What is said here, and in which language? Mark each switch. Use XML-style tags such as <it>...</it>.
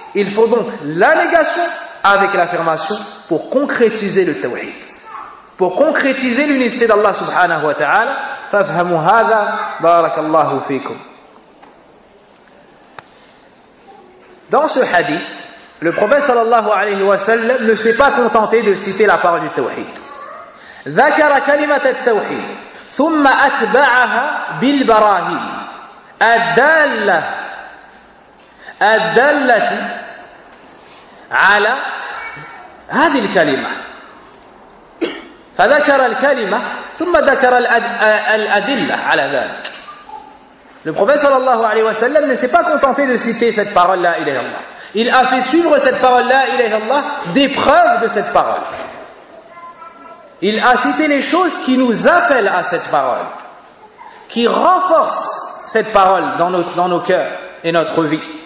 <fr>Il faut donc la négation avec l'affirmation pour concrétiser le tawhid, pour concrétiser l'unicité d'Allah subhanahu wa ta'ala.</fr> <ar>Fafhamu hadha barakallahu fikum.</ar> <fr>Dans ce hadith, le prophète sallallahu alayhi wa sallam ne s'est pas contenté de citer la parole du tawhid.</fr> <ar>Dhakara kalimat al-tawhid thumma atba'aha bil barahim ad-dalla الدالة على هذه الكلمة، فذكر الكلمة ثم ذكر الأدلة على ذلك.</ar> <fr>Le prophète sallallahu alayhi wa sallam ne s'est pas contenté de citer cette parole la ilaha illallah. Il a fait suivre cette parole la ilaha illallah des preuves de cette parole. Il a cité les choses qui nous appellent à cette parole, qui renforcent cette parole dans nos cœurs et notre vie.</fr>